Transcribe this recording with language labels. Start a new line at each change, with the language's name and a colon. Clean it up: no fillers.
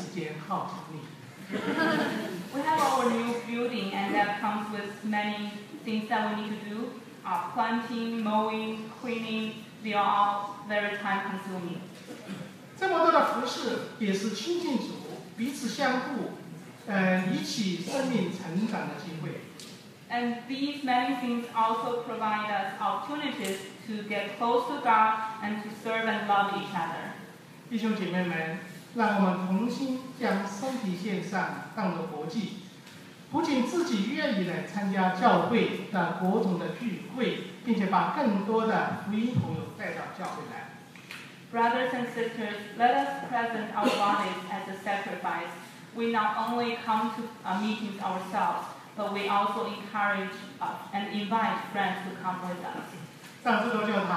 Chinese: 有了自己的教堂，增添了许多繁杂的事情，要户外、阳花、禾草，室内清洁扫除，真是费时间耗精力。
English: We have our new building, and that comes with many things that we need to do. Planting, mowing, cleaning, they are all very time-consuming.
Chinese: 这么多的服事，也是亲近主，彼此相顾，一起生命成长的机会。
English: And these many things also provide us opportunities to get close to God and to serve and love each other.
Chinese: 弟兄姐妹们，让我们同心将身体献上，当作活祭，不仅自己愿意来参加教会的国统的聚会，并且把更多的福音朋友带到教会来。
English: Brothers and sisters, let us present our bodies as a sacrifice. We not only come to meetings ourselves, but we also encourage and invite friends to come with us.